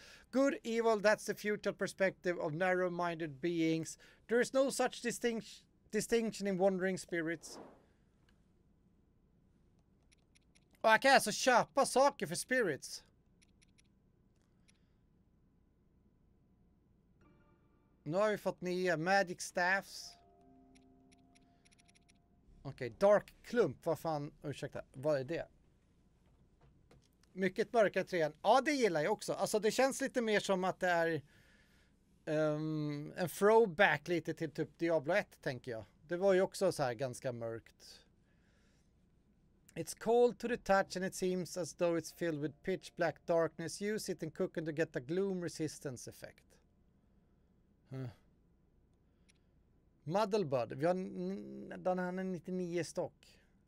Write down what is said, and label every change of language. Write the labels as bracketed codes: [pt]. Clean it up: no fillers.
[en] Good, evil, that's the future perspective of narrow-minded beings. There is no such distinction in wandering spirits. [sv] Och jag kan alltså köpa saker för spirits. Nu har vi fått nya magic staffs. Okej, okay, Dark Klump, vad fan, ursäkta, vad är det? Mycket mörka trän. Ja, det gillar jag också. Alltså det känns lite mer som att det är en throwback lite till typ Diablo 1, tänker jag. Det var ju också så här ganska mörkt. [en] It's cold to the touch and it seems as though it's filled with pitch black darkness. Use it in cooking to get a gloom resistance effect. [sv] Huh. Muddlebud. Vi har den här 99 stock.